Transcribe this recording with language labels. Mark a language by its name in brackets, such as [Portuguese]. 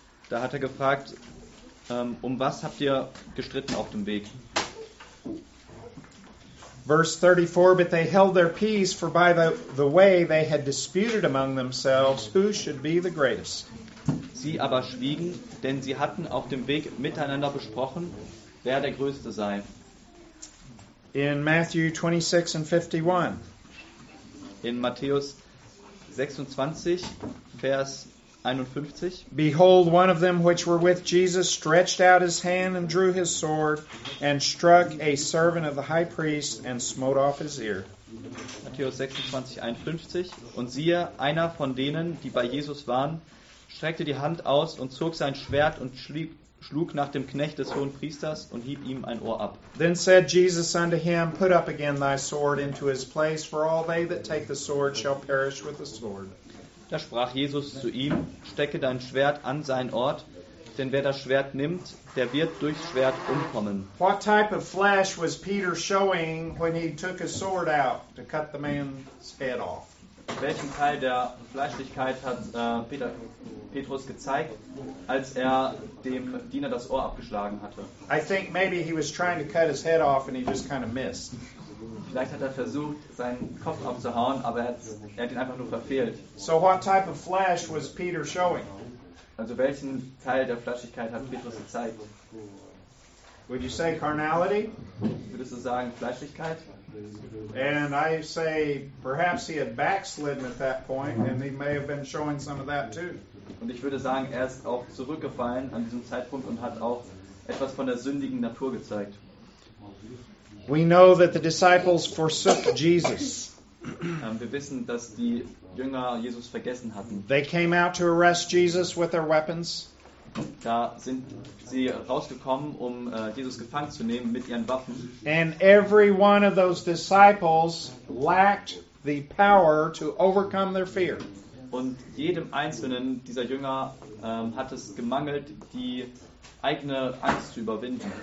[German] Da hat er gefragt, um was habt ihr gestritten auf dem Weg? [English] Verse 34, but they held their peace, for by the way they had disputed among themselves, who should be the greatest. [German] Sie aber schwiegen, denn sie hatten auf dem Weg miteinander besprochen, wer der Größte sei. [English] In Matthew 26 and 51. [German] In Matthäus 26, Vers 51. [English] Behold, one of them which were with Jesus stretched out his hand and drew his sword and struck a servant of the high priest and smote off his ear. [German] Matthäus 26, 51. Und siehe, einer von denen, die bei Jesus waren, streckte die Hand aus und zog sein Schwert und schlug nach dem Knecht des hohen Priesters und hieb ihm ein Ohr ab. [English] Then said Jesus unto him, put up again thy sword into his place, for all they that take the sword shall perish with the sword. [German] Da sprach Jesus zu ihm, stecke dein Schwert an seinen Ort, denn wer das Schwert nimmt, der wird durchs Schwert umkommen. [English] What type of flesh was Peter showing when he took his sword out to cut the man's head off? [German] Welchen Teil der Fleischlichkeit hat Petrus gezeigt, als er dem Diener das Ohr abgeschlagen hatte? [English] I think maybe he was trying to cut his head off and he just kind of missed. [German] Vielleicht hat er versucht, seinen Kopf abzuhauen, aber er hat ihn einfach nur verfehlt. [English] So what type of flesh was Peter showing? [German] Also welchen Teil der Fleischlichkeit hat Petrus gezeigt? [English] Would you say carnality? [German] Würdest du sagen Fleischlichkeit? [English] And I say perhaps he had backslidden at that point and he may have been showing some of that too. [German] Und ich würde sagen, er ist auch zurückgefallen an diesem Zeitpunkt und hat auch etwas von der sündigen Natur gezeigt. [English] We know that the disciples forsook Jesus. [German] Wir wissen, dass die Jünger Jesus vergessen hatten. [English] They came out to arrest Jesus with their weapons. [German] Da sind sie rausgekommen, um Jesus gefangen zu nehmen mit ihren Waffen. [English] And every one of those disciples lacked the power to overcome their fear. [German] Und jedem einzelnen dieser Jünger hat es gemangelt, die eigene Angst zu überwinden.